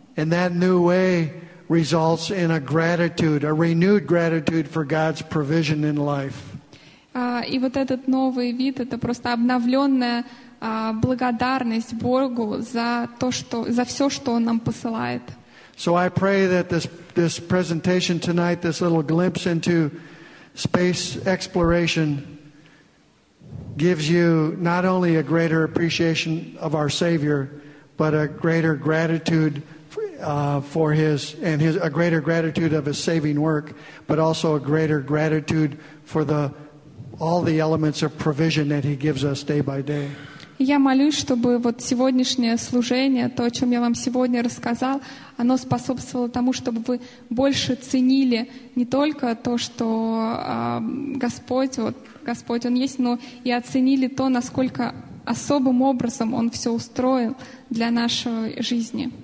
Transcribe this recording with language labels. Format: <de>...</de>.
<en>And that new way results in a gratitude, a renewed gratitude for God's provision in life.</en> <ru>И вот этот новый вид — это просто обновленная благодарность Богу за то, что за все, что Он нам посылает.</ru> <en>So I pray that this presentation tonight, this little glimpse into space exploration, gives you not only a greater appreciation of our Savior, but a greater gratitude for His and His a greater gratitude of His saving work, but also a greater gratitude for the all the elements of provision that He gives us day by day.</en> <ru>Я молюсь, чтобы вот сегодняшнее служение, то, о чем я вам сегодня рассказал, оно способствовало тому, чтобы вы больше ценили не только то, что Господь Он есть, но и оценили то, насколько особым образом Он все устроил для нашей жизни.</ru>